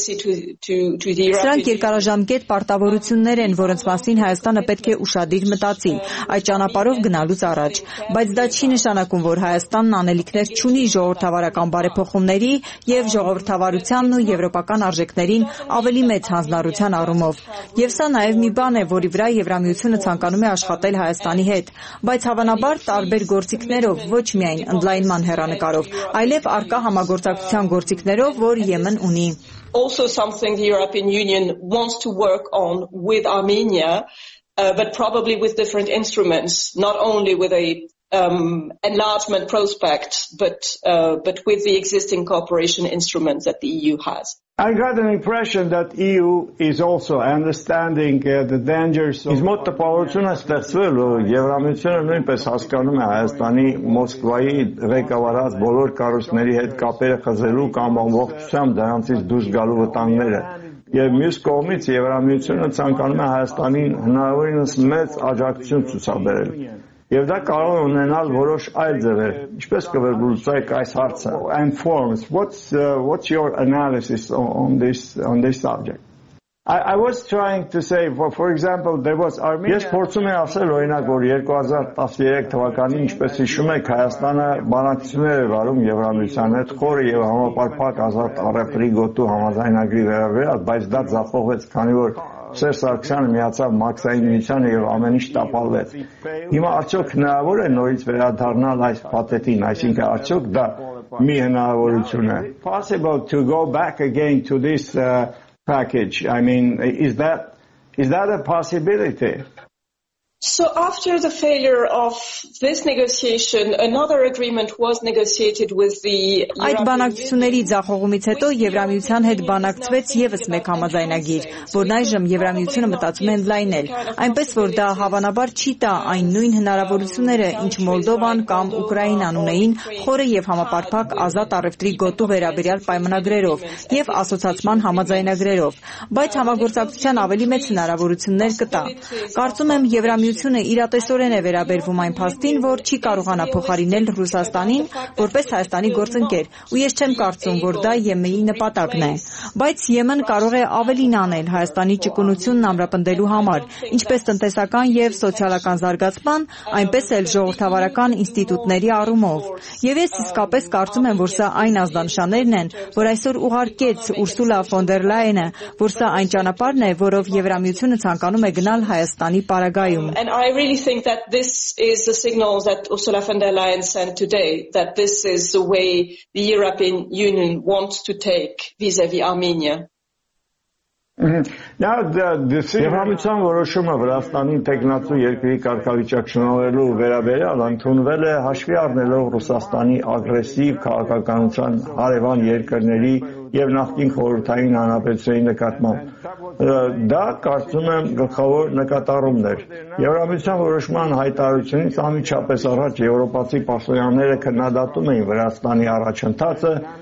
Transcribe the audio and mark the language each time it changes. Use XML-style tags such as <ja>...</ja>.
<hy>Սրանք երկարաժամկետ պարտավորություններ են, որոնց մասին Հայաստանը պետք է ուշադիր մտածի այդ ճանապարհով գնալուց առաջ, բայց դա չի նշանակում, որ Հայաստանն անելիքներ չունի ժողովրդավարական բարեփոխումների և ժողովրդավարությանն ու եվրոպական արժեքներին ավելի մեծ հանձնարարության առումով։ Եվ սա նաև մի բան է, որի վրա Եվրամիությունը ցանկանում է աշխատել Հայաստանի հետ, բայց հավանաբար տարբեր գործիքներով, ոչ միայն ընդլայնման հեռանկարով, այլև առկա համագործակցության գործիքներով, որ Եմեն ունի.</hy> <en>Also something the European Union wants to work on with Armenia, but probably with different instruments, not only with a enlargement prospect, but with the existing cooperation instruments that the EU has. I got an impression that EU is also understanding the dangers of</en> <hy>Իսկ մոտ պատասխանն է ստացվել, որ Եվրամիությունը նույնպես հասկանում է Հայաստանի Մոսկվայի ղեկավարած բոլոր կարուսների հետ կապերը խզելու կամ ամբողջությամբ դրանից դուրս գալու վտանգները։ Եվ մյուս կողմից Եվրամիությունը ցանկանում է Հայաստանին հնարավորինս մեծ աջակցություն ցուցաբերել։ Եվ դա կարող է ունենալ որոշ այլ ձևեր։ Ինչպես կվերգլուծեք այս հարցը?</hy> <en>And forms. What's your analysis on this subject? I was trying to say, for example, there was Armenia.</en> <hy>Ես փորձում եմ ասել, օրինակ, որ 2013 թվականին, ինչպես հիշում եք, Հայաստանը բանակցություններ էր վարում Եվրամիության հետ խորը եւ համապարփակ ազատ առևտրի գոտու համաձայնագրի վերաբերյալ, բայց դա ձախողվեց, քանի որ Սեր Սարգսյանը միացավ Մաքսային միությանը եւ ամեն ինչ տապալվեց։ Հիմա արդյոք հնարավոր է նորից վերադառնալ այս պատետին, այսինքն արդյոք դա մի հնարավորություն է։</hy> <en>Possible to go back again to this package. I mean, is that a possibility? So after the failure of this negotiation, another agreement was negotiated with the</en> <hy>Այդ բանակցությունների ձախողումից հետո Եվրամիության հետ բանակցվեց եւս մեկ համաձայնագիր, որն այժմ Եվրամիությունը մտածում է ընդլայնել, այնպես որ դա հավանաբար չի տա այն նույն հնարավորությունները, ինչ Մոլդովան կամ Ուկրաինան ունեին խորը եւ համապարփակ ազատ առևտրի գոտու վերաբերյալ պայմանագրերով եւ ասոցիացիան համաձայնագրերով, բայց համագործակցության ավելի մեծ հնարավորություններ կտա։ Կարծում եմ Եվրամիությունը միությունը իրատեսորեն է վերաբերվում այն փաստին, որ չի կարողանա փոխարինել Ռուսաստանին որպես Հայաստանի գործընկեր, ու ես չեմ կարծում, որ դա ԵՄ-ի նպատակն է, բայց ԵՄ-ն կարող է ավելին անել Հայաստանի ճկունությունն ամրապնդելու համար, ինչպես տնտեսական եւ սոցիալական զարգացման, այնպես էլ ժողովրդավարական ինստիտուտների առումով։ Եվ ես իսկապես կարծում եմ, որ սա այն ազդանշաններն են, որ այսօր ուղարկեց Ուրսուլա ֆոն դեր Լայենը, որ սա այն ճանապարհն է, որով Եվրամիությունը ցանկանում է գնալ Հայաստանի պարագայ։</hy> <en>And I really think that this is the signal that Ursula von der Leyen sent today, that this is the way the European Union wants to take vis-à-vis Armenia. Now the</en> <hy>Եվրամիության որոշումը Վրաստանի տեղնացու երկրի կարգավիճակ շնորհելու վերաբերյալ ընդունվել է հաշվի առնելով Ռուսաստանի ագրեսիվ քաղաքականության հարևան երկրների եւ նախկին խորհրդային հանրապետության նկատմամբ։ Դա կարծում եմ գլխավոր նկատառումն էր։ Եվրամիության որոշման հայտարարությունից անմիջապես առաջ եվրոպացի պաշտոնյաները քննադատում էին Վրաստանի առաջընթացը,</hy>